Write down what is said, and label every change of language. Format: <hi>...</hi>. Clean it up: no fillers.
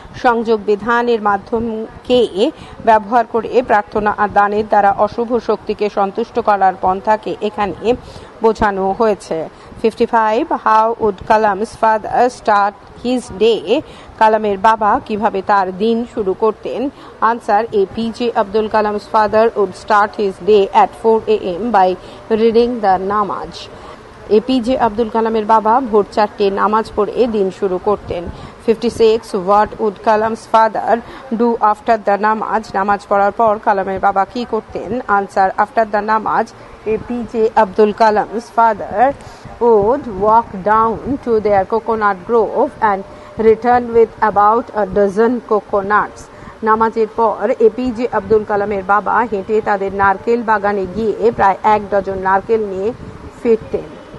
<bn>সংযোগ বিধানের মাধ্যমকে ব্যবহার করে প্রার্থনা আর দানের দ্বারা অশুভ শক্তিকে সন্তুষ্ট করার পন্থাকে এখানে বোঝানো হয়েছে।</bn> <en>55. How would Kalam's father start his day?</en> <bn>কালামের বাবা কিভাবে তার দিন শুরু করতেন?</bn> <en>Answer, APJ Abdul Kalam's father would start his day at 4 a.m. by reading the namaz.</en> <bn>APJ Abdul Kalam's বাবা ভোর 4টে নামাজ পড়ে দিন শুরু করতেন।</bn> <en>56. What would Kalam's father do after the namaz?</en> <bn>নামাজ পড়ার পর কালামের বাবা কি করতেন?</bn> <en>Answer, after the namaz, APJ Abdul Kalam's father would walk down to their coconut grove and return with about a dozen coconuts.</en> <bn>নামাজের পর APJ Abdul Kalam's বাবা হেঁটে তাদের নারকেল বাগানে গিয়ে প্রায় এক ডজন নারকেল নিয়ে ফিরতেন।</bn>